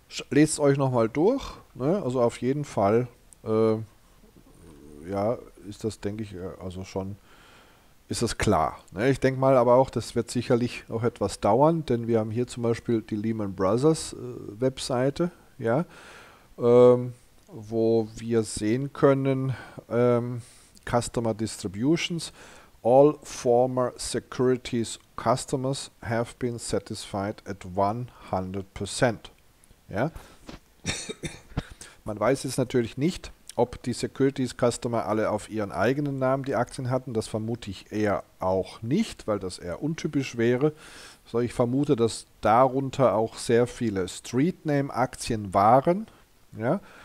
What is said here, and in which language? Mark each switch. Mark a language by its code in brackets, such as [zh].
[de] Lest euch nochmal durch, ne? Also auf jeden Fall, ja, ist das, denke ich, also schon, ist das klar, ne? Ich denke mal aber auch, das wird sicherlich auch etwas dauern, denn wir haben hier zum Beispiel die Lehman Brothers Webseite, ja, wo wir sehen können, Customer Distributions. [en] All former Securities Customers have been satisfied at 100%. [de] Ja. Man weiß jetzt natürlich nicht, ob die Securities Customer alle auf ihren eigenen Namen die Aktien hatten. Das vermute ich eher auch nicht, weil das eher untypisch wäre. So, ich vermute, dass darunter auch sehr viele Streetname-Aktien waren. Ja.